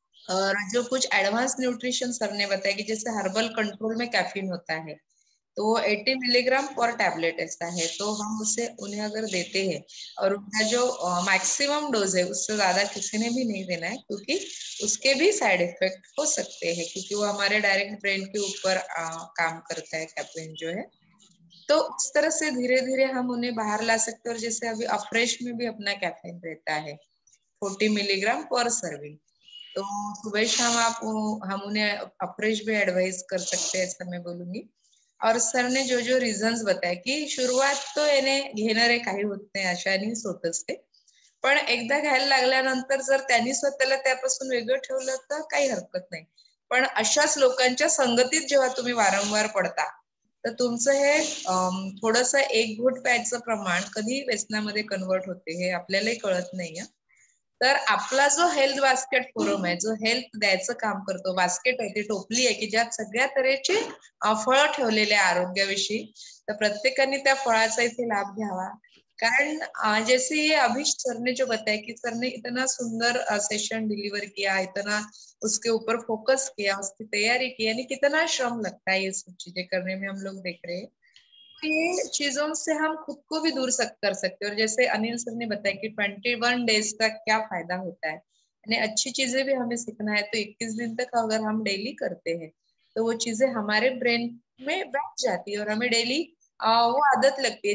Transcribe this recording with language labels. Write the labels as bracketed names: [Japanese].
[Hindi] और जो कुछ एडवांस न्यूट्रिशन सर ने बताया कि जैसे हर्बल कंट्रोल में कैफीन होता है तो 80 मिलीग्राम पर टैबलेट ऐसा है, तो हम उसे उन्हें अगर देते हैं और उनका जो मैक्सिमम डोज है उससे ज्यादा किसी ने भी नहीं देना है क्योंकि उसके भी साइड इफेक्ट हो सकते हैं क्योंकि वो हमारे डायरेक्ट ब्रेन के ऊपर काम करता है कैफीन जो है. तो उस तरह से धीरे धीरे हम उन्हें बाहर ला सकते हैं. और जैसे अभी अप्रेश में भी अपना कैफीन रहता है 40 मिलीग्राम पर सर्विंग, तो सुबह शाम आप हम उन्हें अप्रेश भी एडवाइस कर सकते हैं ऐसा मैं बोलूंगी. और सर ने जो जो रीजन्स बताया कि [Marathi] शुरुआत तो येणे घेणारे काही होत नाही अशानेच होत असते, पण एकदा घ्यायला लागल्यानंतर जर त्यांनी स्वतःला त्यापासून वेगळं ठेवलं तर काही हरकत नाही. पण अशाच लोकांच्या संगतीत जेव्हा तुम्ही वारंवार पडता तर तुमचं हे थोडस एक घोट प्यायचं प्रमाण कधी व्यसनामध्ये कन्वर्ट होते हे आपल्यालाही कळत नाहीये. तर आपला जो हेल्थ बास्केट फोरम आहे जो हेल्थ द्यायचं काम करतो, बास्केट आहे ती टोपली आहे की ज्यात सगळ्या तऱ्हेचे फळं ठेवलेले आहे आरोग्याविषयी, तर प्रत्येकाने त्या फळाचा इथे लाभ घ्यावा. [Hindi] कारण जैसे अभिष सरने जो बताया की सरने इतना सुंदर सेशन डिलिव्हर किया, इतना उसके ऊपर फोकस किया, उसकी तयारी की, यानी कितना श्रम लगता है ये सब चीजें करने में हम लोग देख रहे हैं. चीजों से हम खुद को भी दूर कर सकते हैं, और जैसे अनिल सर ने बताया कि 21 डेज का क्या फायदा होता है, यानी अच्छी चीजें भी हमें सीखना है तो 21 दिन तक अगर हम डेली करते हैं तो वो चीजें हमारे ब्रेन में बैठ जाती है और हमें डेली वो आदत लगती है।